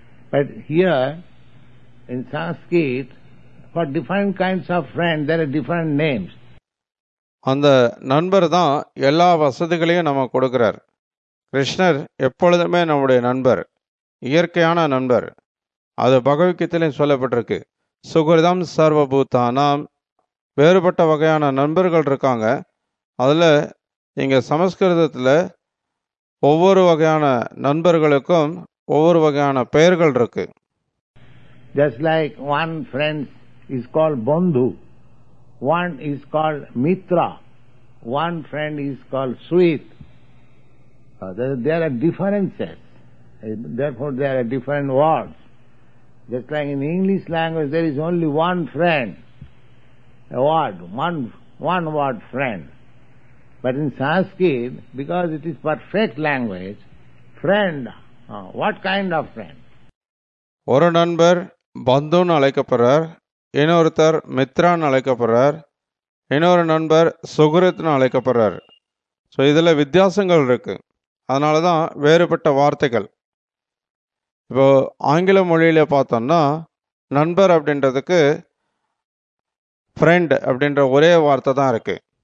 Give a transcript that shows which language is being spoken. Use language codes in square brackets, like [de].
[en] But here, in Sanskrit, for different kinds of friends, there are different names. [ta] அந்த நண்பர் தான் எல்லா வசதிகளையும் நம்ம கொடுக்கிறார். கிருஷ்ணர் எப்பொழுதுமே நம்முடைய நண்பர், இயற்கையான நண்பர். அது பகவத்கீதையிலும் சொல்லப்பட்டிருக்கு, [sa] சுகிருதம் சர்வபூதானாம். [ta] வேறுபட்ட வகையான நண்பர்கள் இருக்காங்க. அதில் இங்கே சமஸ்கிருதத்தில் ஒவ்வொரு வகையான நண்பர்களுக்கும் ஒவ்வொரு வகையான பெயர்கள் இருக்கு. [en] Just like one friends is call bandhu, one is call mitra, one friend is call ஸ்வீத். There are differences. Therefore, there are different words. Just like in English language, there is only one friend, a word, one word friend. But in Sanskrit, because it is perfect language, friend, what kind of friend? [ta] ஒரு நண்பர் பந்துன்னு அழைக்கப்படுறார், இன்னொருத்தர் மித்ரான்னு அழைக்கப்படுறார், இன்னொரு நண்பர் சுகிருத்னு அழைக்கப்படுறார். So இதில் வித்தியாசங்கள் இருக்கு, அதனால தான் வேறுபட்ட வார்த்தைகள். இப்போ ஆங்கில மொழியில் பார்த்தோம்னா நண்பர் அப்படின்றதுக்கு ஃப்ரெண்ட் அப்படின்ற ஒரே வார்த்தை தான் இருக்குது.